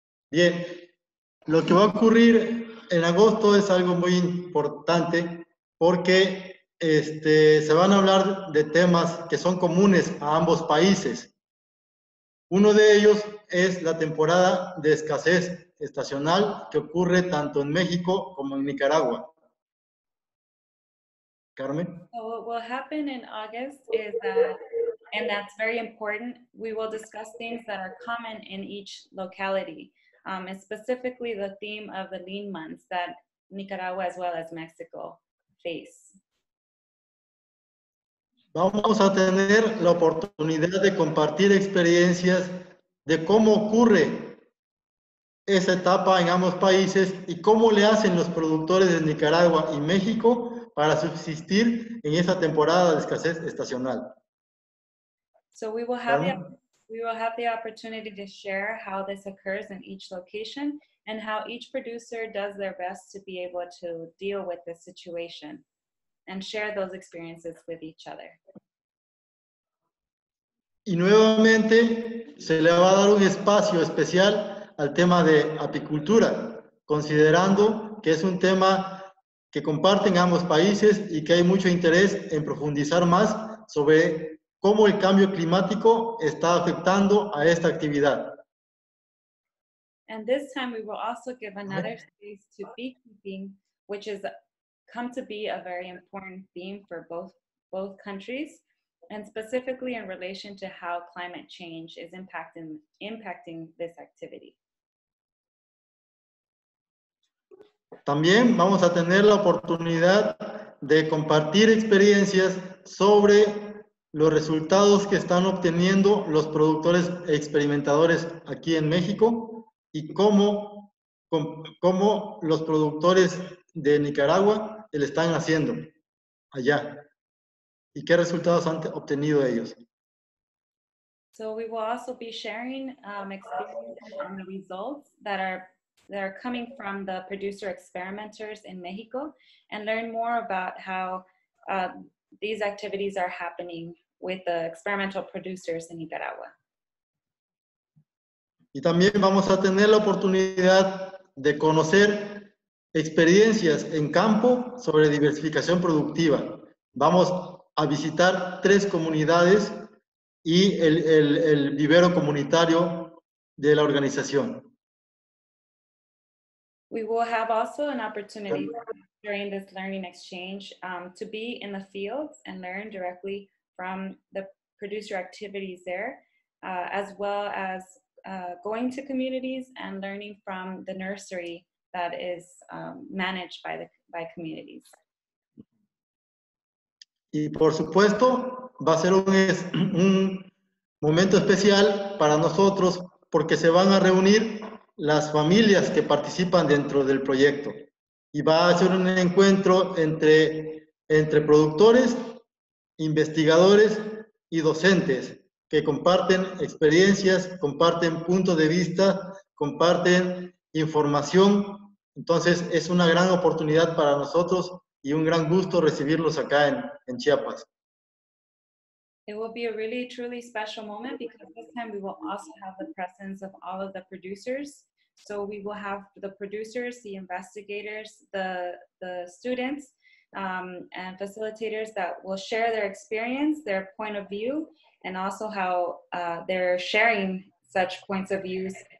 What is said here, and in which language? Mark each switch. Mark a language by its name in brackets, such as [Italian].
[Spanish] Bien, lo que va a ocurrir en agosto es algo muy importante porque se van a hablar de temas que son comunes a ambos países. Uno de ellos es la temporada de escasez estacional que ocurre tanto en México como en Nicaragua. Carmen. [English] So what will happen in August is, and that's very important, we will discuss things that are common in each locality, specifically the theme of the lean months that Nicaragua as well as Mexico face. [Spanish] Vamos a tener la oportunidad de compartir experiencias de cómo ocurre esa etapa en ambos países y cómo le hacen los productores de Nicaragua y México para subsistir en esa temporada de escasez estacional. [English] So we will have the opportunity to share how this occurs in each location and how each producer does their best to be able to deal with the situation. And share those experiences with each other. [Spanish] Y nuevamente se le va a dar un espacio especial al tema de apicultura, considerando que es un tema que comparten ambos países y que hay mucho interés en profundizar más sobre cómo el cambio climático está afectando a esta actividad. [English] And this time we will also give another space to beekeeping, which is come to be a very important theme for both countries, and specifically in relation to how climate change is impacting this activity. [Spanish] También vamos a tener la oportunidad de compartir experiencias sobre los resultados que están obteniendo los productores experimentadores aquí en México y cómo los productores de Nicaragua le están haciendo allá y qué resultados han obtenido ellos. [English] So we will also be sharing experiences and the results that are coming from the producer experimenters in Mexico, and learn more about how these activities are happening with the experimental producers in Nicaragua. [Spanish] Y también vamos a tener la oportunidad de conocer experiencias en campo sobre diversificación productiva. Vamos a visitar tres comunidades y el vivero comunitario de la organización. [English] We will have also an opportunity during this learning exchange to be in the fields and learn directly from the producer activities there, as well as going to communities and learning from the nursery that is managed by communities. [Spanish] Y por supuesto, va a ser un momento especial para nosotros porque se van a reunir las familias que participan dentro del proyecto. Y va a ser un encuentro entre productores, investigadores y docentes que comparten experiencias, comparten puntos de vista, comparten información. Entonces, es una gran oportunidad para nosotros y un gran gusto recibirlos acá en Chiapas. [English] It will be a really, truly special moment because this time we will also have the presence of all of the producers. So we will have the producers, the investigators, the students, and facilitators that will share their experience, their point of view, and also how they're sharing such points of views.